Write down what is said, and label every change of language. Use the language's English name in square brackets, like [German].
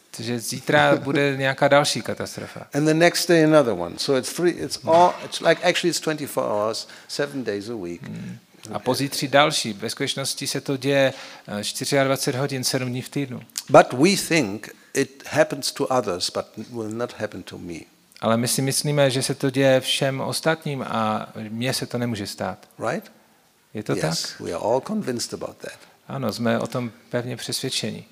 [Czech] Takže zítra bude nějaká další katastrofa. [English] And the next day another one. So it's 24 hours, 7 days a week. [Czech] A pozítří další. Ve skutečnosti se to děje 24 hodin 7 dní v týdnu. [English] But we think it happens to others, but will not happen to me. [Czech] Ale my si myslíme, že se to děje všem ostatním a mně se to nemůže stát. [English] Right? [Czech] Je to [English] yes, [Czech] tak? [English] We are all convinced about that. [Czech] Ano, jsme o tom pevně přesvědčeni.